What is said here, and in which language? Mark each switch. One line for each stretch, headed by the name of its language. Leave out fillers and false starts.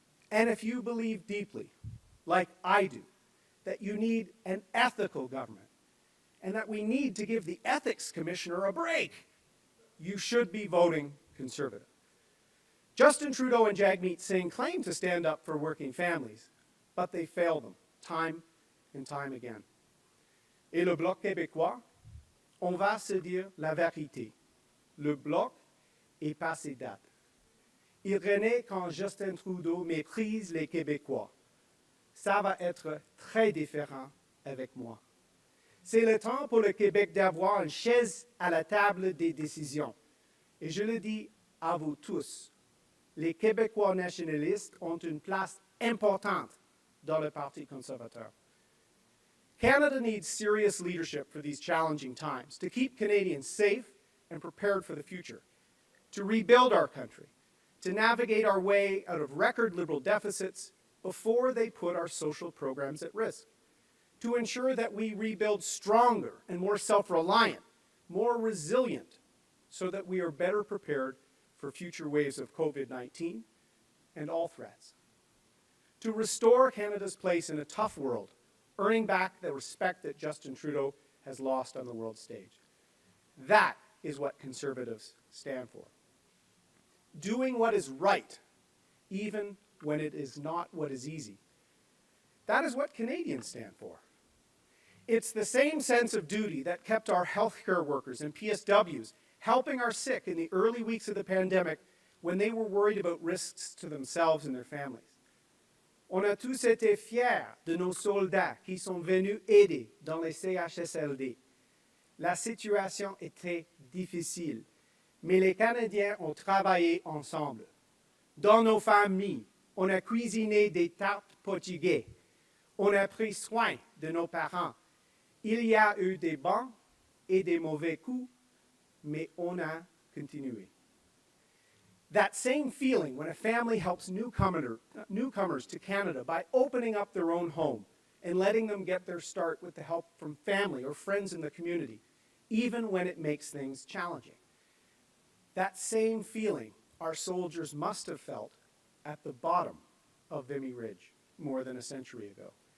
English: And if you believe deeply, like I do, that you need an ethical government and that we need to give the Ethics Commissioner a break, you should be voting Conservative. Justin Trudeau and Jagmeet Singh claim to stand up for working families, but they fail them time and time again.
French: Et le Bloc québécois, on va se dire la vérité. Le Bloc est passé date. Il renaît quand Justin Trudeau méprise les Québécois. Ça va être très différent avec moi. C'est le temps pour le Québec d'avoir une chaise à la table des décisions. Et je le dis à vous tous, les Québécois nationalistes ont une place importante dans le Parti conservateur.
English: Canada needs serious leadership for these challenging times, to keep Canadians safe and prepared for the future, to rebuild our country, to navigate our way out of record Liberal deficits before they put our social programs at risk, to ensure that we rebuild stronger and more self-reliant, more resilient, so that we are better prepared for future waves of COVID-19 and all threats, to restore Canada's place in a tough world, earning back the respect that Justin Trudeau has lost on the world stage. That is what Conservatives stand for. Doing what is right, even when it is not what is easy. That is what Canadians stand for. It's the same sense of duty that kept our healthcare workers and PSWs helping our sick in the early weeks of the pandemic when they were worried about risks to themselves and their families.
French: On a tous été fiers de nos soldats qui sont venus aider dans les CHSLD. La situation était difficile, mais les Canadiens ont travaillé ensemble. Dans nos familles, on a cuisiné des tartes portugaises. On a pris soin de nos parents. Il y a eu des bons et des mauvais coups, mais on a continué.
English: That same feeling when a family helps newcomers to Canada by opening up their own home and letting them get their start with the help from family or friends in the community, even when it makes things challenging. That same feeling our soldiers must have felt at the bottom of Vimy Ridge more than a century ago.